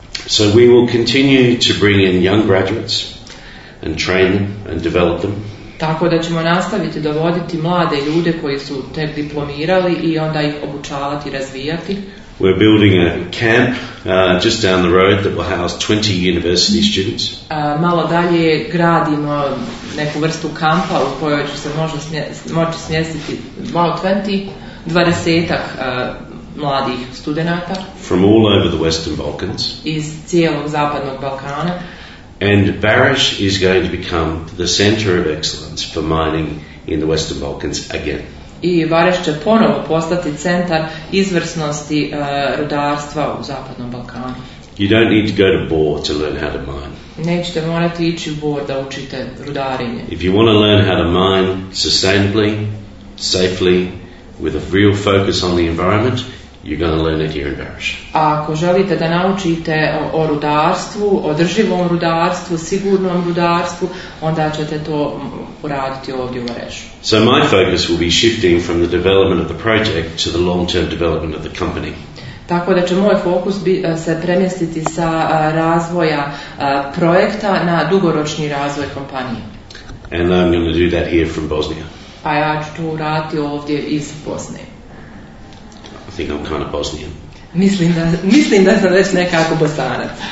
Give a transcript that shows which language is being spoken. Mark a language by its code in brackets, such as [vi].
[en] So we will continue to bring in young graduates and train them and develop them. [bs] Tako da ćemo nastaviti dovoditi mlade ljude koji su tek diplomirali i onda ih obučavati i razvijati. [en] We're building a camp just down the road that will house 20 university students. [bs] Malo dalje gradimo neku vrstu kampa u kojoj će se moći smjestiti malo 20-ak mladih studenata. [en] From all over the Western Balkans. [bs] Iz cijelog zapadnog Balkana. [en] And Barish is going to become the center of excellence for mining in the Western Balkans again. [bs] I Barish će ponovo postati centar izvrsnosti rudarstva u zapadnom Balkanu. [en] You don't need to go to Bor to learn how to mine. [bs] Nećete morati ići u Bor da učite rudarenje. [en] If you want to learn how to mine sustainably, safely, with a real focus on the environment, you're going to learn it here in Barish. [bs] Ako želite da naučite o rudarstvu, održivom rudarstvu, sigurnom rudarstvu, onda ćete to uraditi ovdje u Barishu. [en] So my focus will be shifting from the development of the project to the long-term development of the company. [bs] Tako da će moj fokus se premjestiti sa razvoja projekta na dugoročni razvoj kompanije. [en] And I'm going to do that here from Bosnia. [bs] A ja ću to uraditi ovdje iz Bosne. [en] I think I'm kind of Bosnian. [bs] Mislim da sam već nekako Bosanac.